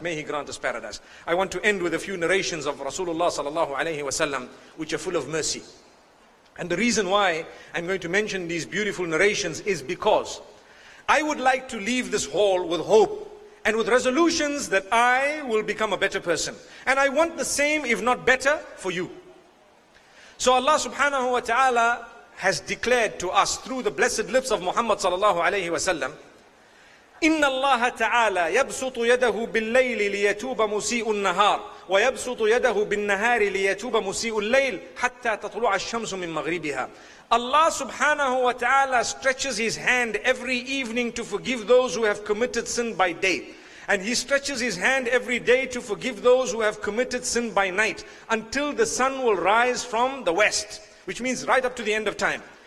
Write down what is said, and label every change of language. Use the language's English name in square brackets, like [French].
[English] May He grant us paradise. I want to end with a few narrations of Rasulullah sallallahu alayhi wasallam, which are full of mercy. And the reason why I'm going to mention these beautiful narrations is because I would like to leave this hall with hope and with resolutions that I will become a better person. And I want the same, if not better, for you. So Allah subhanahu wa ta'ala has declared to us through the blessed lips of Muhammad sallallahu alayhi wasallam, [Arabic] إِنَّ اللَّهَ تَعَالَى يَبْسُطُ يَدَهُ بِاللَّيْلِ لِيَتُوبَ مُسِيءُ النَّهَارِ وَيَبْسُطُ يَدَهُ بِالنَّهَارِ لِيَتُوبَ مُسِيءُ اللَّيْلِ حَتَّى تَطْلُعَ الشَّمْسُ مِنْ مَغْرِبِهَا. [English] Allah subhanahu wa ta'ala stretches His hand every evening to forgive those who have committed sin by day. And He stretches His hand every day to forgive those who have committed sin by night until the sun will rise from the west, which means right up to the end of time.